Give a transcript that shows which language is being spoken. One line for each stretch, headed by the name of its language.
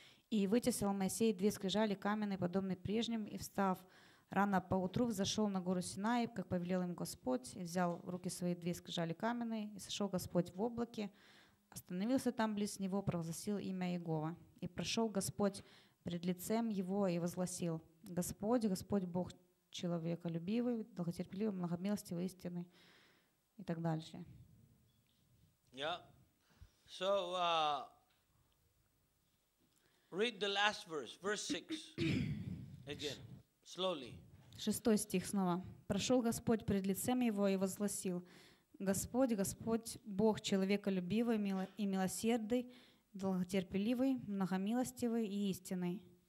Russian: И вытесал Моисей две скрижали каменные, подобные прежним, и, встав рано поутру, взошел на гору Синай, как повелел им Господь, и взял в руки свои две скрижали каменные, и сошел Господь в облаке, остановился там близ него, провозгласил имя Иегова. И прошел Господь пред лицем его и возгласил: Господь, Господь Бог человеколюбивый, долготерпеливый, многомилостивый, истинный, и так дальше.
English: Yeah. So, read the last verse, verse 6, again, slowly.
Russian: Шестой стих снова. Прошел Господь пред лицем его и возгласил: Господь, Господь, Бог человеколюбивый и милосердный, долготерпеливый, многомилостивый и истинный.